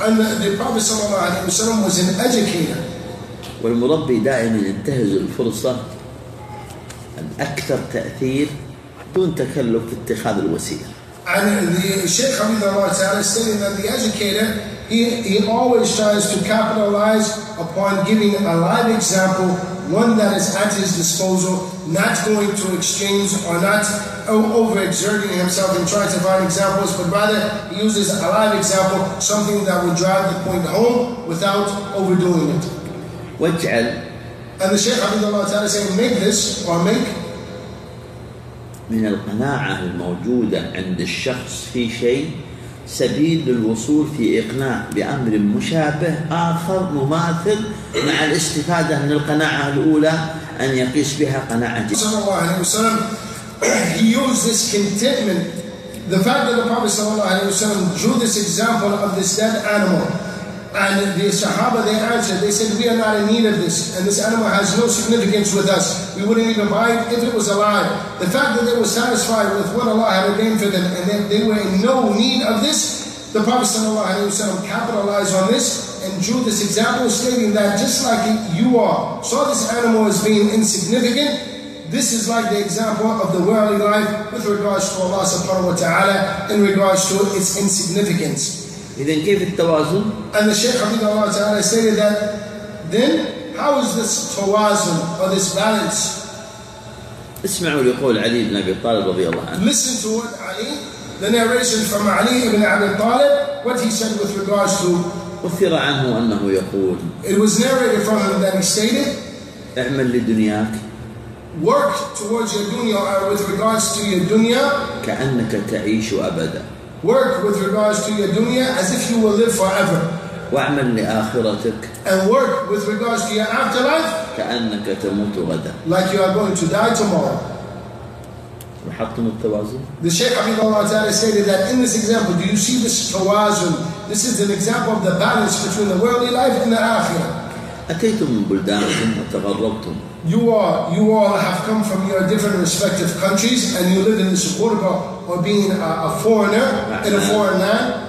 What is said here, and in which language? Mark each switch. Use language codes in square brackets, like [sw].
[en] And the Prophet Sallallahu Alaihi Wasallam was an educator. [ar] والمربي دائما ينتهز الفرصة الأكثر تأثير دون تكلف في اتخاذ الوسيلة. [en] And the Shaykh Hafidhullah Ta'ala stated that the educator, he always tries to capitalize upon giving a live example, one that is at his disposal, not going to exchange or not overexerting himself and trying to find examples, but rather he uses a live example, something that would drive the point home without overdoing it. [ar] واجعل. [en] And the Shaykh Hafidhullah Ta'ala saying, make this or make [ar] من القناعة الموجودة عند الشخص في شيء سبيل للوصول في إقناع بأمر مشابه آخر مماثل مع الاستفادة من القناعة الأولى أن يقيس بها قناعة جديدة. [en] صلى الله عليه وسلم he used this contentment, the fact that the Prophet صلى الله عليه وسلم drew this example of this dead animal, and the Sahaba they answered, they said, we are not in need of this and this animal has no significance with us, we wouldn't even buy it if it was alive. The fact that they were satisfied with what Allah had ordained for them and that they were in no need of this, the Prophet sallallahu alaihi wasallam capitalized on this and drew this example stating that just like you are saw this animal as being insignificant, this is like the example of the worldly life with regards to Allah subhanahu wa ta'ala in regards to its insignificance. [ar] إذن كيف التوازن؟ [en] And the Shaykh Hafidhullah Ta'ala stated that then how is this توازن or this balance? [ar] اسمعوا لقول علي بن أبي طالب رضي الله عنه. [en] Listen to what Ali, the narration from Ali ibn Abi Talib, what he said with regards to. [ar] أثر عنه أنه يقول. [en] It was narrated from him that he stated. [ar] اعمل لدنياك. [en] Work towards your dunya or with regards to your dunya. [ar] كأنك تعيش أبدا. [en] Work with regards to your dunya as if you will live forever. [ar] وَاعْمَلْ لِآخِرَتِكَ. [en] And work with regards to your afterlife. [ar] كَأَنَّكَ تَمُوتُ غَدًا. [en] Like you are going to die tomorrow. [ar] وَحَطْتُمُ التَّوَازُنُ. [en] The Shaykh Hafidhullah Ta'ala stated that in this example, do you see this tawazun? This is an example of the balance between the worldly life and the akhirah. [ar] أتيتم من بلدانكم وتغربتم. [en] You all have come from your different respective countries and you live in this ghurba or being a foreigner in a foreign land.